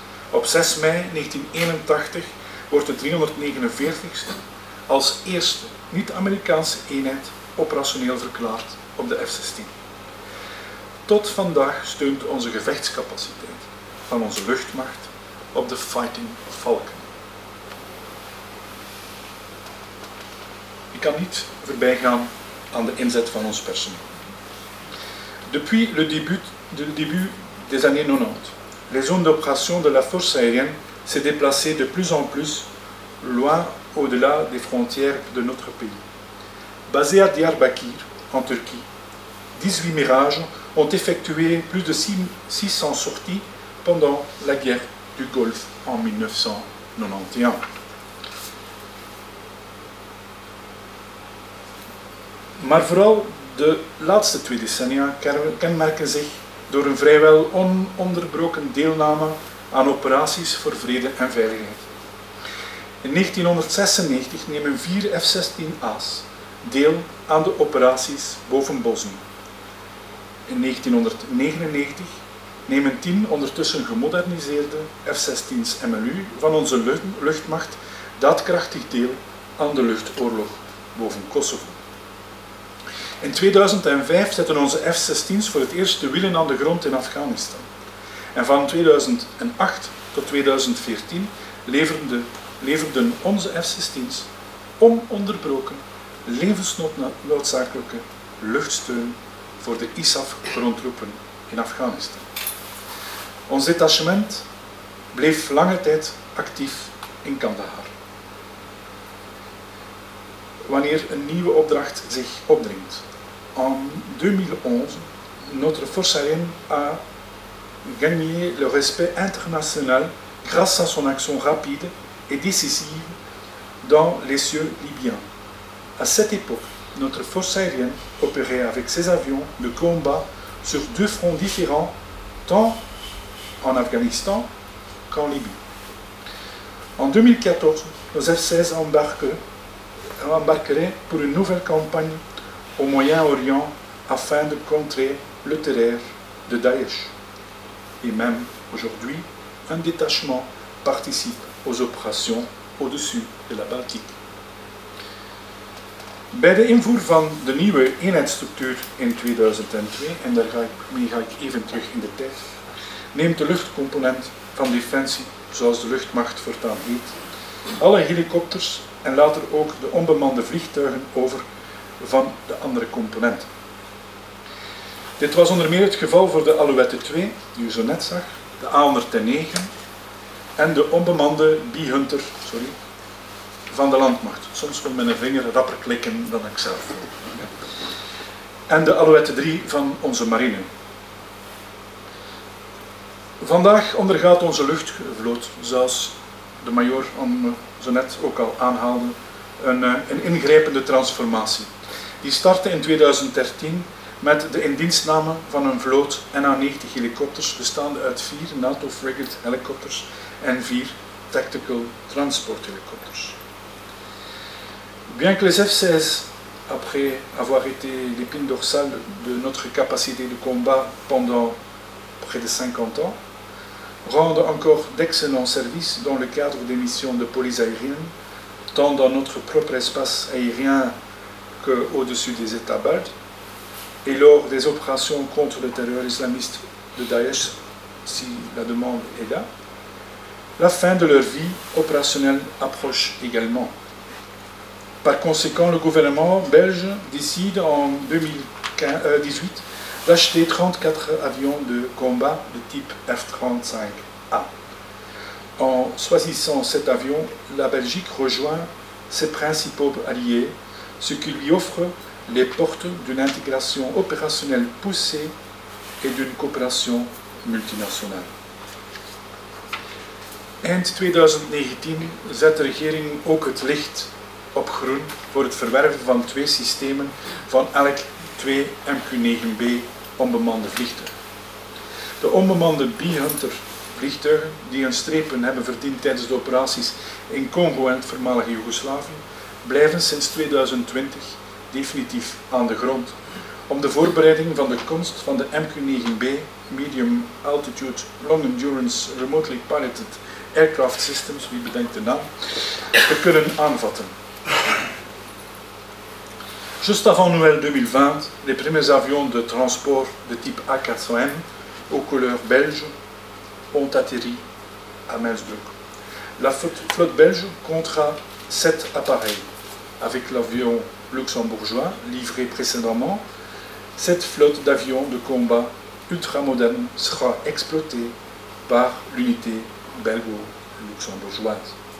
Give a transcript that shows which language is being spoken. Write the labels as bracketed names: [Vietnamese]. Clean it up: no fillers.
[Dutch] Op 6 mei 1981 wordt de 349ste als eerste niet-Amerikaanse eenheid operationeel verklaard op de F-16. Tot vandaag steunt onze gevechtscapaciteit van onze luchtmacht op de Fighting Falcon. Ik kan niet voorbij gaan aan de inzet van ons personeel. [French] Depuis le début des années 90, les zones d'opération de la force aérienne s'est déplacée de plus en plus loin au-delà des frontières de notre pays. Basée à Diyarbakir, en Turquie, 18 Mirages ont effectué plus de 600 sorties pendant la guerre du Golfe en 1991. [Dutch] Maar vooral de laatste 2 decennia kenmerken zich door een vrijwel ononderbroken deelname aan operaties voor vrede en veiligheid. In 1996 nemen 4 F-16A's deel aan de operaties boven Bosnië. In 1999 nemen 10 ondertussen gemoderniseerde F-16's MLU van onze luchtmacht daadkrachtig deel aan de luchtoorlog boven Kosovo. In 2005 zetten onze F-16's voor het eerst de wielen aan de grond in Afghanistan. En van 2008 tot 2014 leverden onze F-16's ononderbroken levensnoodzakelijke luchtsteun voor de ISAF-grondtroepen in Afghanistan. Ons detachement bleef lange tijd actief in Kandahar. Wanneer een nieuwe opdracht zich opdringt, [French] en 2011, notre force aérienne a gagné le respect international grâce à son action rapide et décisive dans les cieux libyens. À cette époque, notre force aérienne opérait avec ses avions de combat sur 2 fronts différents, tant en Afghanistan qu'en Libye. En 2014, nos F-16 embarquent j'embarquerai pour une nouvelle campagne au Moyen-Orient afin de contrer le terreur de Daesh. Et même aujourd'hui, un détachement participe aux opérations au-dessus de la Baltique. [Dutch] Bij de invoer van de nieuwe eenheidsstructuur in 2002, en daarmee ga ik even terug in de tijd, neemt de luchtcomponent van Defensie, zoals de luchtmacht voortaan heet, alle helikopters en later ook de onbemande vliegtuigen over van de andere component. Dit was onder meer het geval voor de Alouette 2, die u zo net zag, de A109 en de onbemande B-Hunter, sorry, van de landmacht. Soms kon mijn vinger rapper klikken dan ik zelf. En de Alouette 3 van onze marine. Vandaag ondergaat onze luchtvloot, zoals de majoor zo net ook al aanhaalde, een ingrijpende transformatie. Die startte in 2013 met de indienstname van een vloot NA90 helikopters bestaande uit 4 NATO frigate helikopters en 4 tactical transport helikopters. [French] Bien que les F-16, après avoir été l'épine dorsale de notre capacité de combat pendant près de 50 ans, rendent encore d'excellents services dans le cadre des missions de police aérienne, tant dans notre propre espace aérien qu'au-dessus des États baltes, et lors des opérations contre le terreur islamiste de Daesh, si la demande est là, la fin de leur vie opérationnelle approche également. Par conséquent, le gouvernement belge décide en 2018 d'acheter 34 avions de combat de type F-35A. En choisissant cet avion, la Belgique rejoint ses principaux alliés, ce qui lui offre les portes d'une intégration opérationnelle poussée et d'une coopération multinationale. [Dutch] Eind 2019 zet de regering ook het licht op groen voor het verwerven van 2 systemen van elk 2 MQ-9B onbemande vliegtuigen. De onbemande B-Hunter vliegtuigen, die hun strepen hebben verdiend tijdens de operaties in Congo en het voormalige Joegoslavië, blijven sinds 2020 definitief aan de grond om de voorbereiding van de komst van de MQ-9B Medium Altitude Long Endurance Remotely Piloted Aircraft Systems, wie bedenkt de naam, te kunnen aanvatten. [French] Juste avant Noël 2020, les premiers avions de transport de type A400M aux couleurs belges ont atterri à Mainsbrook. La flotte belge comptera 7 appareils. Avec l'avion luxembourgeois livré précédemment, cette flotte d'avions de combat ultramoderne sera exploitée par l'unité belgo-luxembourgeoise.